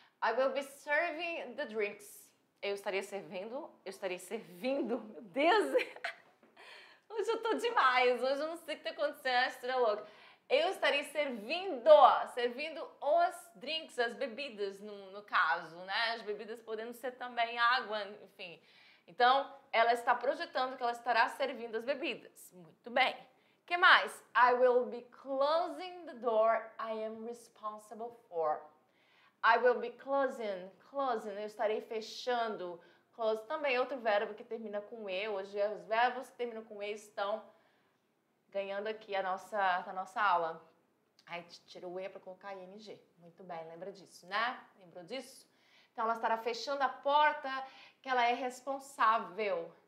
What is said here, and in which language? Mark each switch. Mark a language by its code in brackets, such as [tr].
[en] I will be serving the drinks. [pt] Eu estaria servindo, meu Deus, hoje eu tô demais, hoje eu não sei o que tá acontecendo, estou louca. Eu estarei servindo os drinks, as bebidas, no caso, né? As bebidas podendo ser também água, enfim. Então, ela está projetando que ela estará servindo as bebidas. Muito bem. O que mais? [en] I will be closing the door I am responsible for. I will be closing, [pt] eu estarei fechando. Close também é outro verbo que termina com E. Hoje os verbos que terminam com E estão ganhando aqui a nossa aula. Aí tira o E para colocar ing. Muito bem, lembra disso, né? Lembrou disso? Então ela estará fechando a porta que ela é responsável.